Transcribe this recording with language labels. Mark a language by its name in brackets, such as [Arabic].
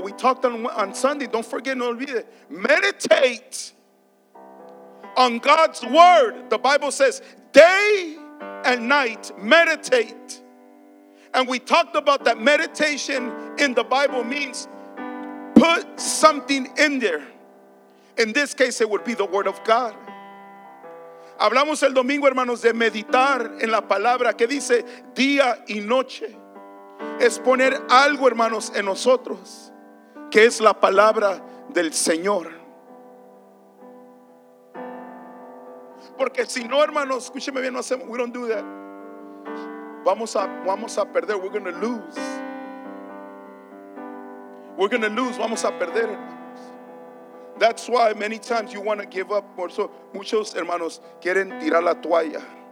[English] We talked on Sunday. Don't forget, no olvide. Meditate on God's word. The Bible says day and night meditate. And we talked about that meditation in the Bible means put something in there. In this case, it would be the word of God. [Spanish] Hablamos el domingo, hermanos, de meditar en la palabra, que dice día y noche. Es poner algo, hermanos, en nosotros, que es la palabra del Señor. Porque si no, hermanos, escúcheme bien, no hacemos, we don't do that. Vamos a perder, we're going to lose. [English] We're going to lose, vamos a perder, hermanos. That's why many times you want to give up. [Spanish] Por eso muchos hermanos quieren tirar la toalla.